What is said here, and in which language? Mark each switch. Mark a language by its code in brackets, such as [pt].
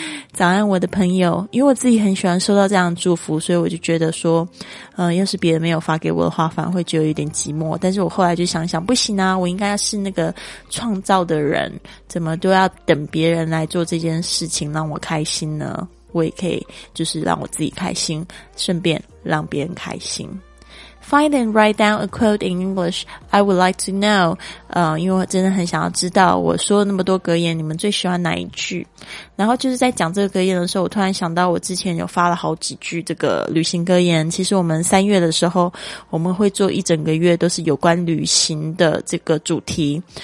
[zh] 早安我的朋友，因为我自己很喜欢收到这样的祝福，所以我就觉得说要是别人没有发给我的话反而会觉得有点寂寞，但是我后来就想想不行啊，我应该是那个创造的人，怎么都要等别人来做这件事情让我开心呢，我也可以就是让我自己开心，顺便让别人开心。 [en] Find and write down a quote in English. I would like to know. [zh] 因为我真的很想要知道我说了那么多格言，你们最喜欢哪一句？然后就是在讲这个格言的时候，我突然想到我之前有发了好几句这个旅行格言。其实我们三月的时候，我们会做一整个月都是有关旅行的这个主题。